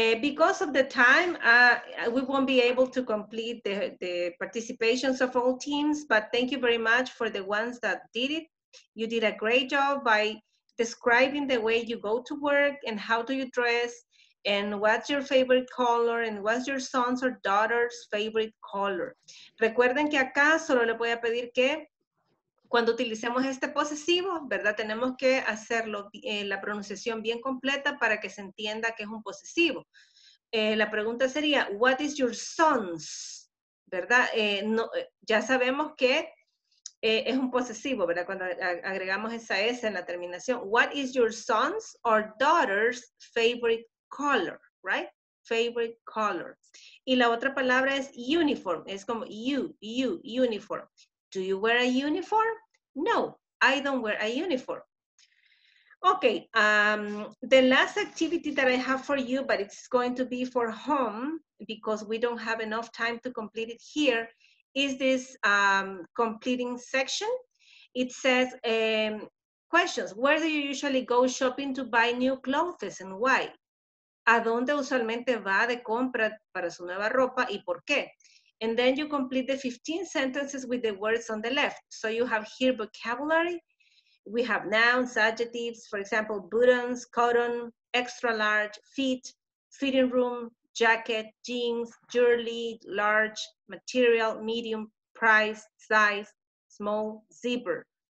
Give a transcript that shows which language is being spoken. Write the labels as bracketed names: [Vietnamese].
[English] Because of the time, we won't be able to complete the participations of all teams, but thank you very much for the ones that did it. You did a great job by describing the way you go to work and how do you dress and what's your favorite color and what's your son's or daughter's favorite color. [Spanish] Recuerden que acá solo le voy a pedir que cuando utilicemos este posesivo, ¿verdad? Tenemos que hacerlo la pronunciación bien completa para que se entienda que es un posesivo. La pregunta sería, [English] what is your son's, [Spanish] ¿verdad? No, ya sabemos que es un posesivo, ¿verdad? Cuando agregamos esa S en la terminación. [English] What is your son's or daughter's favorite color, right? Favorite color. [Spanish] Y la otra palabra es uniform. Es como [English] you, uniform. Do you wear a uniform? No, I don't wear a uniform. Okay, the last activity that I have for you, but it's going to be for home because we don't have enough time to complete it here, is this completing section. It says, questions. Where do you usually go shopping to buy new clothes and why? [Spanish] ¿A dónde usualmente va de compra para su nueva ropa y por qué? [English] And then you complete the 15 sentences with the words on the left. So you have here vocabulary. We have nouns, adjectives, for example, buttons, cotton, extra large, feet, fitting room, jacket, jeans, jewelry, large, material, medium, price, size, small, zipper.